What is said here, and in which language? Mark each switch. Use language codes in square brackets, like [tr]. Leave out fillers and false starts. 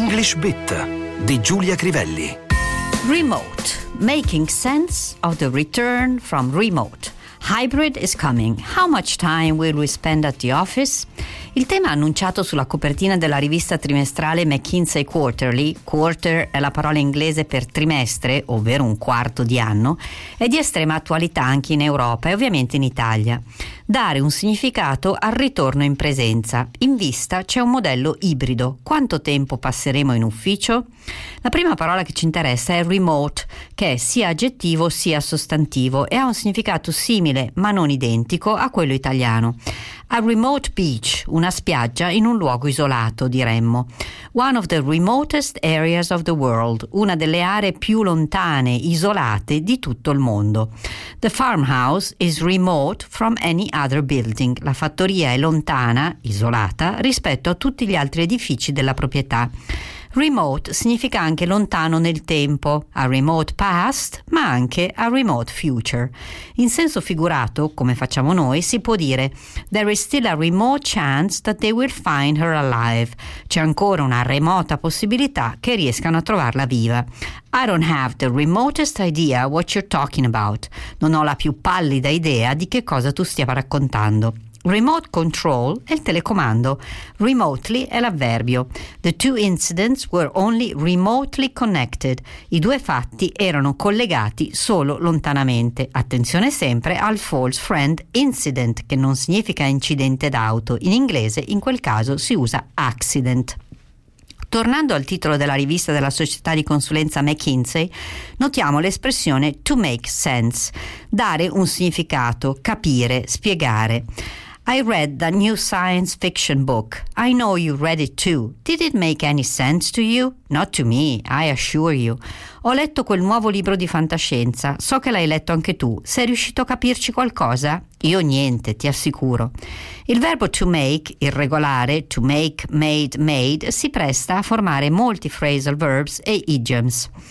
[it] Fish Bit di Giulia Crivelli. [en] Remote, making sense of the return from remote. Hybrid is coming. How much time will we spend at the office? [it] Il tema annunciato sulla copertina della rivista trimestrale McKinsey Quarterly, quarter è la parola inglese per trimestre, ovvero un quarto di anno, è di estrema attualità anche in Europa e ovviamente in Italia. Dare un significato al ritorno in presenza. In vista c'è un modello ibrido. Quanto tempo passeremo in ufficio? La prima parola che ci interessa è remote, che è sia aggettivo sia sostantivo e ha un significato simile, ma non identico, a quello italiano. [en] A remote beach, [it] una spiaggia in un luogo isolato, diremmo. [en] One of the remotest areas of the world, [it] una delle aree più lontane, isolate di tutto il mondo. [en] The farmhouse is remote from any other building. [it] La fattoria è lontana, isolata, rispetto a tutti gli altri edifici della proprietà. Remote significa anche lontano nel tempo, [en] a remote past, [it] ma anche [en] a remote future. [it] In senso figurato, come facciamo noi, si può dire [en] «There is still a remote chance that they will find her alive». [it] C'è ancora una remota possibilità che riescano a trovarla viva. [en] I don't have the remotest idea what you're talking about. [it] Non ho la più pallida idea di che cosa tu stia raccontando. Remote control è il telecomando. Remotely è l'avverbio. [en] The two incidents were only remotely connected. [it] I due fatti erano collegati solo lontanamente. Attenzione sempre al false friend incident, che non significa incidente d'auto. In inglese, in quel caso, si usa accident. Tornando al titolo della rivista della società di consulenza McKinsey, notiamo l'espressione to make sense, dare un significato, capire, spiegare. [en] I read the new science fiction book. I know you read it too. Did it make any sense to you? Not to me, I assure you. [it] Ho letto quel nuovo libro di fantascienza. So che l'hai letto anche tu. Sei riuscito a capirci qualcosa? Io niente, ti assicuro. Il verbo to make, irregolare, to make, made, made, si presta a formare molti phrasal verbs e idioms.